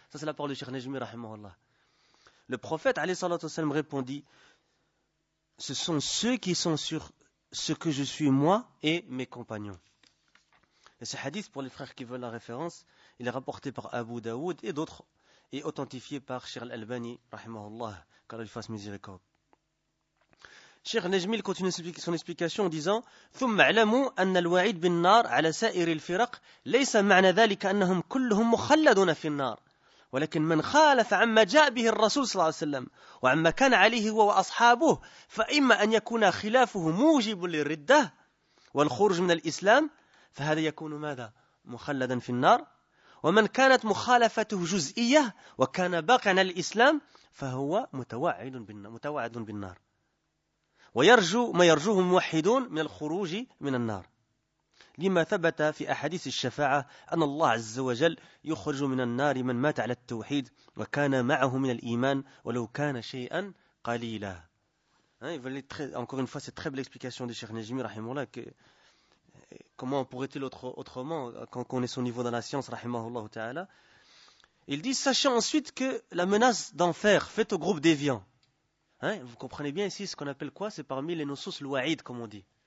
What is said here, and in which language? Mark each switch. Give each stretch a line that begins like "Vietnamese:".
French: Ça, c'est la parole de Cheikh Najmi, rahimahullah. Le prophète, alayhi salatu wassalam, répondit, ce sont ceux qui sont sur ce que je suis, moi et mes compagnons. Et ce hadith, pour les frères qui veulent la référence, il est rapporté par Abu Daoud et d'autres, et authentifié par Cheikh Al-Albani, rahimahullah, qu'Allah lui fasse miséricorde. Cheikh Najmi continue son explication en disant
Arabic: ثم علموا أن الوعيد بالنار على سائر الفرق ليس معنى ذلك أنهم كلهم مخلدون في النار ولكن من خالف عما جاء به الرسول صلى الله عليه وسلم وعما كان عليه هو وأصحابه فإما أن يكون خلافه موجب للردة والخروج من الإسلام فهذا يكون ماذا مخلدا في النار ومن كانت مخالفته جزئية وكان باقيا على الإسلام فهو متوعد بالنار ويرجو ما يرجوه الموحدون من الخروج من النار لما ثبت في أحاديث الشفاعة أن الله عز وجل يخرج من النار من مات على التوحيد وكان معه من الإيمان ولو كان شيئا قليلا.
French: Encore une fois, c'est très belle explication de Cheikh Najmi rahimahullah. Comment pourrait-il autrement quand on est son niveau dans la science, rahimahullah ta'ala. Il dit, sachez ensuite que la menace d'enfer faite au groupe déviant. Hein, vous comprenez bien ici ce qu'on appelle quoi? C'est parmi les nosus l'wa'id, comme on dit.